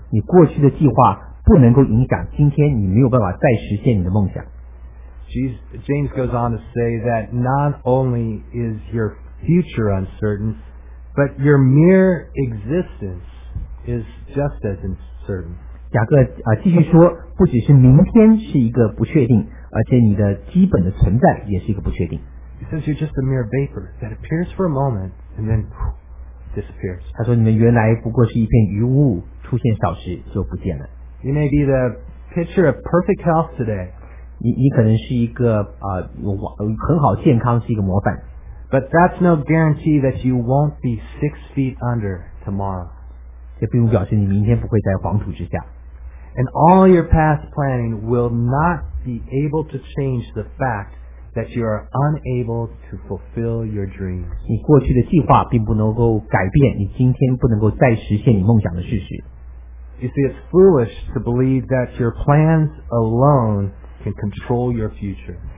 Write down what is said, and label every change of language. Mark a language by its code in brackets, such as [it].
[zh] 你过去的计划不能够影响今天，你没有办法再实现你的梦想。 [en] James goes on to say that not only is your future uncertain, but your mere existence is just as uncertain. [zh] 雅各啊，继续说，不只是明天是一个不确定，而且你的基本的存在也是一个不确定。 [en] He says you're just a mere vapor that appears for a moment and then disappears. [zh] 他说你们原来不过是一片云雾，出现少时就不见了。 [en] You may be the picture of perfect health today. [zh] 你可能是一个啊，很好健康，是一个模范。 [en] But that's no guarantee that you won't be 6 feet under tomorrow. [zh] 这并不表示你明天不会在黄土之下。 [en] And all your past planning will not be able to change the fact that you are unable to fulfill your dreams. [zh] 你过去的计划并不能够改变你今天不能够再实现你梦想的事实。 [en] You see, it's foolish to believe that your plans alone can control your future.